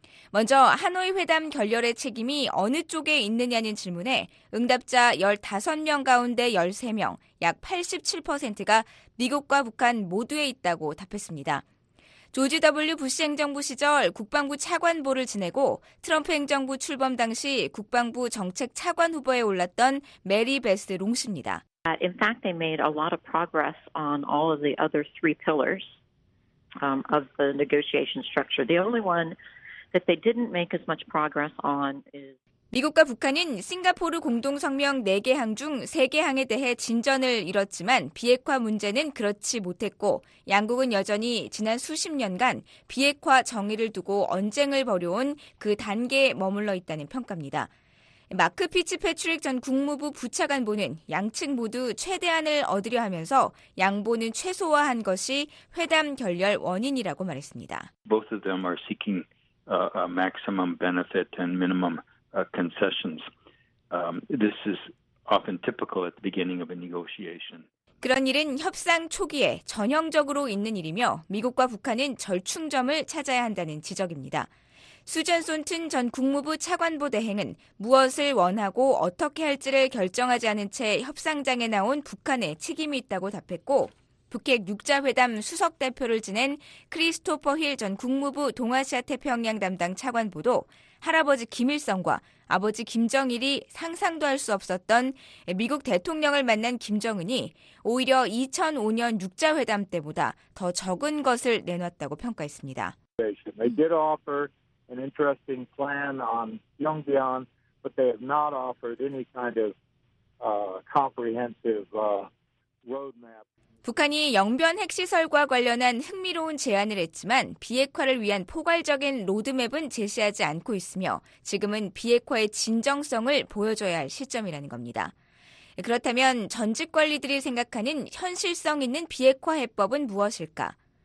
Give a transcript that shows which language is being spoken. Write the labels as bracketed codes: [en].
[ko] 먼저 하노이 회담 결렬의 책임이 어느 쪽에 있느냐는 질문에 응답자 15명 가운데 13명, 약 87%가 미국과 북한 모두에 있다고 답했습니다. 조지 W. 부시 행정부 시절 국방부 차관보를 지내고 트럼프 행정부 출범 당시 국방부 정책 차관 후보에 올랐던 메리 베스 롱 씨입니다. [en] In fact, they made a lot of progress on all of the other three pillars of the negotiation structure. The only one that they didn't make as much progress on is [ko] 미국과 북한은 싱가포르 공동성명 4개 항 중 3개 항에 대해 진전을 이뤘지만 비핵화 문제는 그렇지 못했고 양국은 여전히 지난 수십 년간 비핵화 정의를 두고 언쟁을 벌여온 그 단계에 머물러 있다는 평가입니다. 마크 피츠패트릭 전 국무부 부차관보는 양측 모두 최대한을 얻으려 하면서 양보는 최소화한 것이 회담 결렬 원인이라고 말했습니다. [en] Both of them are seeking a maximum benefit and minimum concessions. This is often typical at the beginning of a negotiation. [ko] 그런 일은 협상 초기에 전형적으로 있는 일이며 미국과 북한은 절충점을 찾아야 한다는 지적입니다. 수잔 손튼 전 국무부 차관보 대행은 무엇을 원하고 어떻게 할지를 결정하지 않은 채 협상장에 나온 북한의 책임이 있다고 답했고 북핵 6자 회담 수석 대표를 지낸 크리스토퍼 힐 전 국무부 동아시아 태평양 담당 차관보도 할아버지 김일성과 아버지 김정일이 상상도 할 수 없었던 미국 대통령을 만난 김정은이 오히려 2005년 6자 회담 때보다 더 적은 것을 내놨다고 평가했습니다. [en] They did offer an interesting plan on Pyongyang, but they have not offered any kind of comprehensive roadmap. [ko] 북한이 영변 핵시설과 관련한 흥미로운 제안을 했지만 비핵화를 위한 포괄적인 로드맵은 제시하지 않고 있으며 지금은 비핵화의 진정성을 보여줘야 할 시점이라는 겁니다. 그렇다면 전직 관리들이 생각하는 현실성 있는 비핵화 해법은 무엇일까?